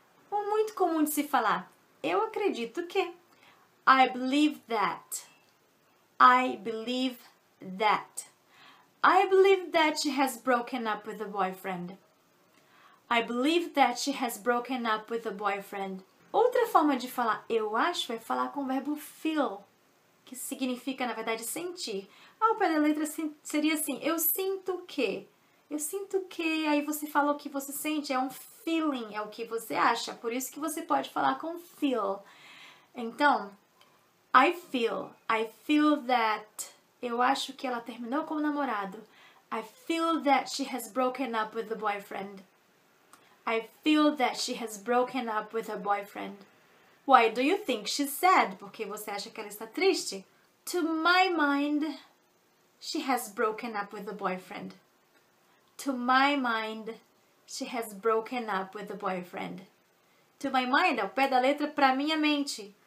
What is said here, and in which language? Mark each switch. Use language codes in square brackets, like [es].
[pt] Ou muito comum de se falar, eu acredito que, [en] I believe that. I believe that she has broken up with a boyfriend. I believe that she has broken up with a boyfriend. [pt] Outra forma de falar eu acho é falar com o verbo feel, que significa, na verdade, sentir. Ao pé da letra seria assim, eu sinto que. Eu sinto que, aí você fala o que você sente, é um feeling, é o que você acha. Por isso que você pode falar com feel. Então, [en] I feel that... [pt] Eu acho que ela terminou com o namorado. [en] I feel that she has broken up with a boyfriend. I feel that she has broken up with her boyfriend. Why do you think she's sad? [pt] Porque você acha que ela está triste? [en] To my mind, she has broken up with a boyfriend. To my mind, she has broken up with a boyfriend. To my mind, [pt] ao pé da letra, para minha mente.